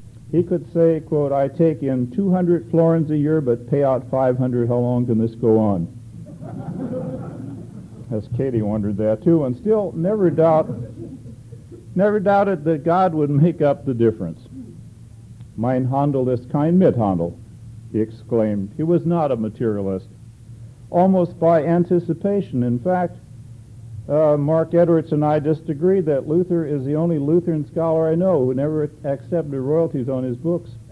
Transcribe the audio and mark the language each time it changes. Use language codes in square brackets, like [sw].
[en] He could say, quote, I take in 200 florins a year, but pay out 500. How long can this go on? As Katie wondered that, too, and still never doubted that God would make up the difference. [de] Mein Handel ist kein Mithandel, [en] he exclaimed. He was not a materialist. Almost by anticipation, in fact, Mark Edwards and I disagreed that Luther is the only Lutheran scholar I know who never accepted royalties on his books.